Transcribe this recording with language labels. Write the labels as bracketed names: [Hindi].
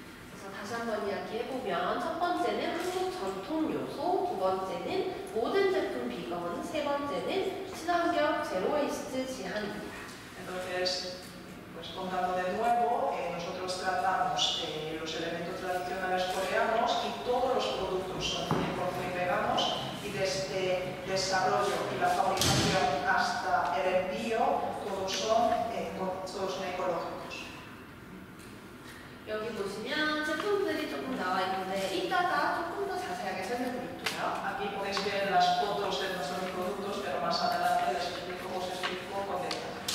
[Korean] 그래서 다시 한번 이야기해보면 첫 번째는 한국 전통 요소, 두 번째는 모든 제품 비건, 세 번째는 친환경 제로웨이스트 지향입니다. [Spanish] Entonces, pues contando de nuevo, nosotros tratamos los elementos tradicionales coreanos y todos los productos son 100% veganos y desde el desarrollo y la fabricación hasta el envío, todos son ecológicos. [Korean] 여기 보시면 제품들이 조금 나와 있는데 이따가 조금 더 자세하게 설명드릴게요. [Spanish] Aquí podéis ver las fotos de nuestros productos, pero más adelante les explico os explico con detalle.